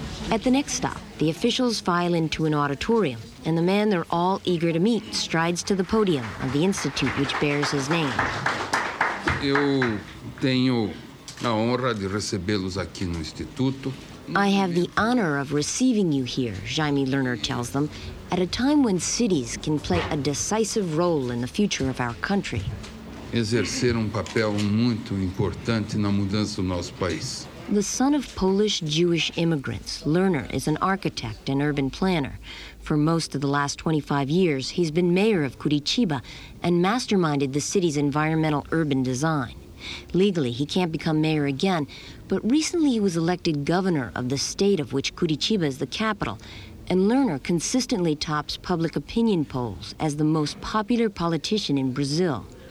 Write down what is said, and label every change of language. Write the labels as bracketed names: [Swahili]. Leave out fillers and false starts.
[English] At the next stop, the officials file into an auditorium, and the man they're all eager to meet strides to the podium of the institute which bears his name. [Portuguese] Eu tenho a honra de recebê-los aqui no instituto. [English] I have the honor of receiving you here, Jaime Lerner tells them, at a time when cities can play a decisive role in the future of our country. [Portuguese] Exercer papel muito importante na mudança do nosso país. [English] The son of Polish-Jewish immigrants, Lerner is an architect and urban planner. For most of the last 25 years, he's been mayor of Curitiba and masterminded the city's environmental urban design. Legally, he can't become mayor again, but recently he was elected governor of the state of which Curitiba is the capital, and Lerner consistently tops public opinion polls as the most popular politician in Brazil.